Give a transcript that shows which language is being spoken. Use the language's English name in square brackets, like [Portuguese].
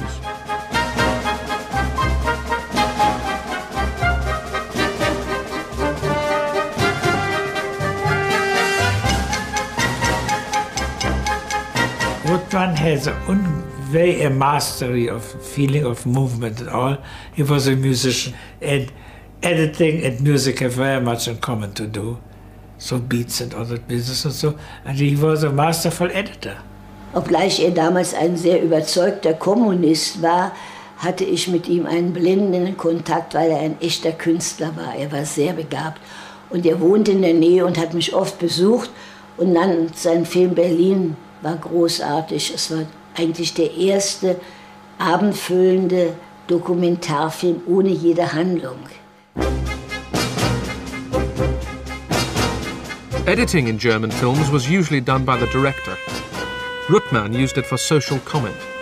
[English] Ruttmann has a mastery of feeling, of movement and all. He was a musician, and editing and music have very much in common to do. So beats and all that business and so. And he was a masterful editor. [German] Obgleich damals ein sehr überzeugter Kommunist war, hatte ich mit ihm einen blendenden Kontakt, weil ein echter Künstler war. War sehr begabt. Und wohnte in der Nähe und hat mich oft besucht. Und dann sein Film Berlin war großartig. Es war eigentlich der erste abendfüllende Dokumentarfilm ohne jede Handlung. [English] Editing in German films was usually done by the director. Ruttmann used it for social comment.